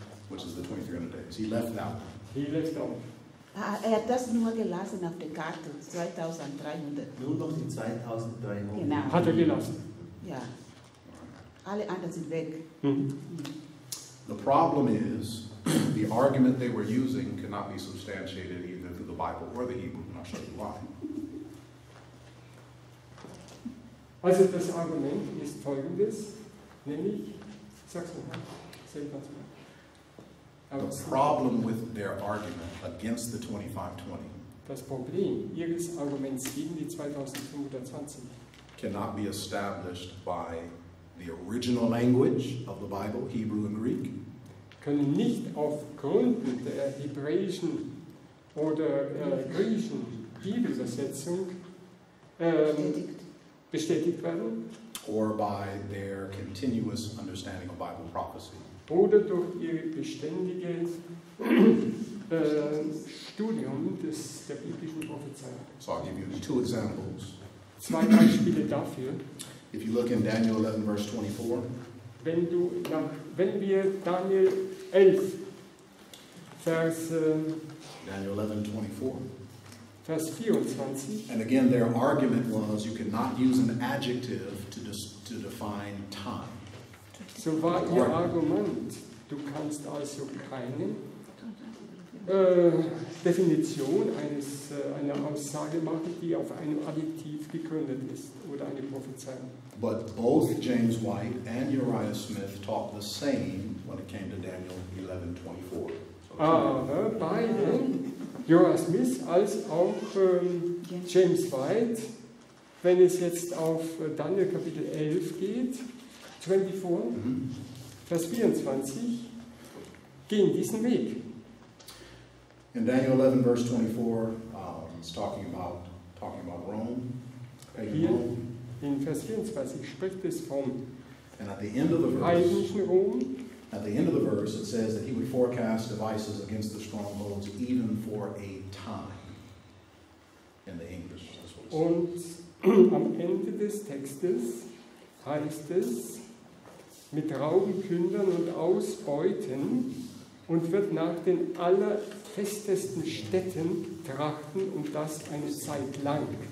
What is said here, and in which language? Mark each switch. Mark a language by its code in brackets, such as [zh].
[en] Which is the 2300 days. He left that one. [de] Ah, er hat das nur gelassen auf der Karte, 2300. Nur noch die 2300. Genau. Hat er gelassen. Ja. Alle anderen sind weg. [en] The problem is, the argument they were using cannot be substantiated either through the Bible or the Hebrew. I'm not sure why. [de] Also das Argument ist folgendes, nämlich, sag's mal, sag das mal. [en] The problem with their argument against the 2520, [de] das Problem ihres Arguments gegen die 2520, [en] cannot be established by the original language of the Bible, Hebrew and Greek, [de] können nicht auf Gründen der hebräischen oder griechischen Bibelübersetzung bestätigt werden, [en] or by their continuous understanding of Bible prophecy. [de] Oder durch ihr beständiges Studium der biblischen Prophezeiung. [en] So I'll give you two examples. [de] Zwei Beispiele dafür. [en] If you look in Daniel 11, verse 24. [de] Wenn wir Daniel 11, Vers [en] Daniel 11, 24. [de] Vers 24. [en] And again, their argument was, you cannot use an adjective to define time. [de] So war ihr Argument, du kannst also keine Definition einer Aussage machen, die auf einem Adjektiv gegründet ist oder eine Prophezeiung. [en] But both James White and Uriah Smith talked the same when it came to Daniel 11:24. [de] Aber beide, Uriah Smith als auch James White, wenn es jetzt auf Daniel Kapitel 11 geht, 24, Vers 24, Ging diesen Weg. [en] In Daniel 11, verse 24, he's talking about Rome. [de] Hier in Vers 24 spricht es von heidnischen Rom. [en] At the end of the verse, it says that he would forecast devices against the strongholds even for a time. In the English, that's what it says. [de] Und am Ende des Textes heißt es, mit Rauben plündern und ausbeuten und wird nach den allerfestesten Städten trachten und das eine Zeit lang.